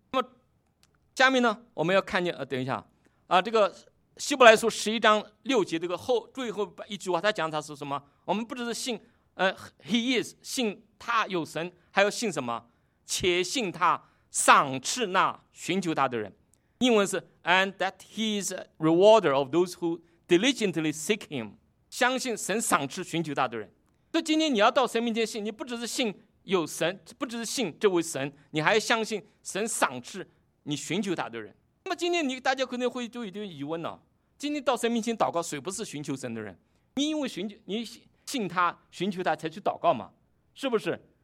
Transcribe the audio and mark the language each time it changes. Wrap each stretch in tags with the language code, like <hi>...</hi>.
<zh>那么下面呢，我们要看见等一下这个希伯来书十一章六节这个后最后一句话，他讲他是什么，我们不只是信</zh> <en>He is，</en> <zh>信他有神，还要信什么，且信他赏赐那寻求他的人。</zh> <en>英文是 And that he is a rewarder of those who diligently seek him，</en> <zh>相信神赏赐寻求他的人。所以今天你要到神面前信，你不只是信有神，不只是信这位神，你还相信神赏赐你寻求他的人。那么今天你大家可能会有点疑问了，今天到神面前祷告，谁不是寻求神的人？你因为寻求你信他寻求他才去祷告嘛，是不是？</zh>